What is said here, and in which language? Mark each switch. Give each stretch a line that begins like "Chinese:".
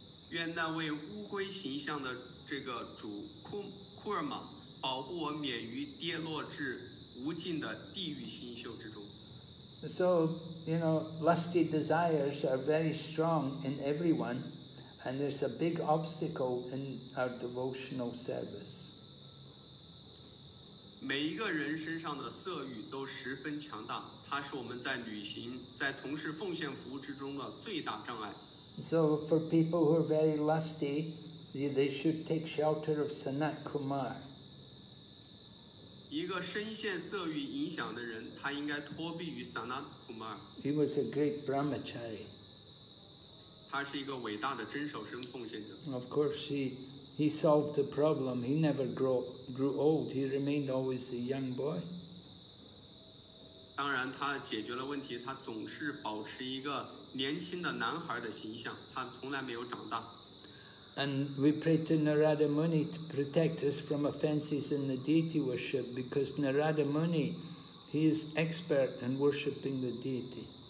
Chinese: 愿那位乌龟形象的这个主库尔玛保护我免于跌落至无尽的地狱星宿之中。
English: So, you know, lusty desires are very strong in everyone, and there's a big obstacle in our devotional service.
Chinese: 每一个人身上的色欲都十分强大, 它是我们在旅行, 在从事奉献服务之中的最大障碍。
English: So for people who are very lusty, they should take shelter of Sanat Kumar.
Chinese: 一个深陷色欲影响的人, 他应该脱避于 Sanat Kumar.
English: He was a great brahmachari.
Chinese: 他是一个伟大的真守身奉献者。
English: Of course, he solved the problem. He never grew old. He remained always a young boy.
Chinese: 当然他解决了问题, 他总是保持一个 年轻的男孩的形象，他从来没有长大。
English: And we pray to Narada Muni to protect us from offenses in the deity worship, because Narada Muni, he is expert in worshiping the deity.